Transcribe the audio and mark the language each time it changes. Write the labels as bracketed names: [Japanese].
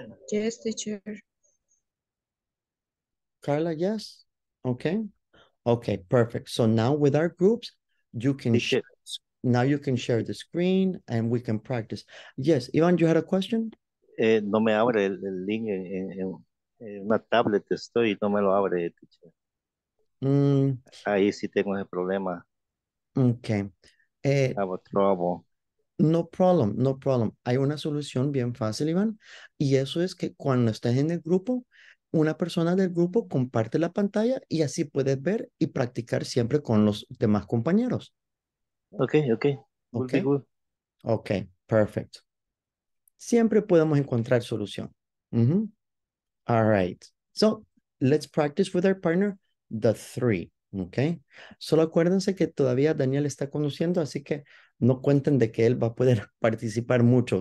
[English] Yes, teacher. Carla, yes? Okay, perfect. So now with our groups, you can share the screen and we can practice. Yes, Ivan, you had a question? [Spanish] No me abre el link en una tablet, estoy, no me lo abre. Ahí sí tengo ese problema. [English] Okay. Have a trouble. No problem. [Spanish] Hay una solución bien fácil, Iván. Y eso es que cuando estés en el grupo, una persona del grupo comparte la pantalla y así puedes ver y practicar siempre con los demás compañeros. [English] Okay. Good. Okay, perfect. [Spanish] Siempre podemos encontrar solución. Mm-hmm. [English] All right. So, let's practice with our partner, the three. Okay. [Spanish] Solo acuérdense que todavía Daniel está conduciendo, así que no cuenten de que él va a poder participar mucho.